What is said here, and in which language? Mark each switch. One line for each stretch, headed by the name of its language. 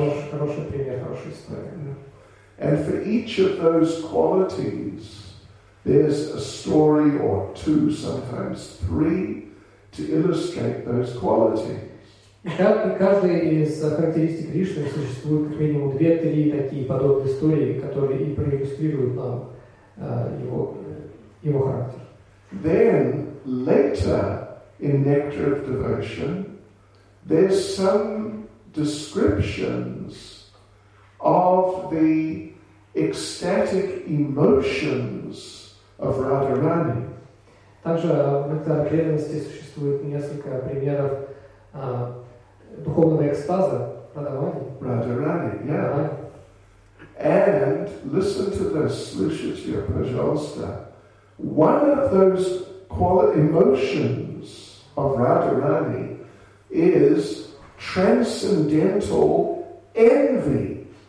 Russian: Хороший пример, хорошая история.
English: And for each of those qualities, there's a story or two, sometimes three, to illustrate those qualities.
Russian: И каждая из характеристик Кришны существует как минимум две-три такие подобные истории, которые и проиллюстрируют нам его характер.
English: Then, later in Nectar of Devotion, there's some descriptions of the ecstatic emotions of Radharani.
Russian: Также в Нектаре преданности существует несколько примеров духовного экстаза Радхарани.
English: Радхарани, yeah. And listen to this,
Russian: слушайте, пожалуйста.
English: One of those emotions of Радхарани is transcendental envy.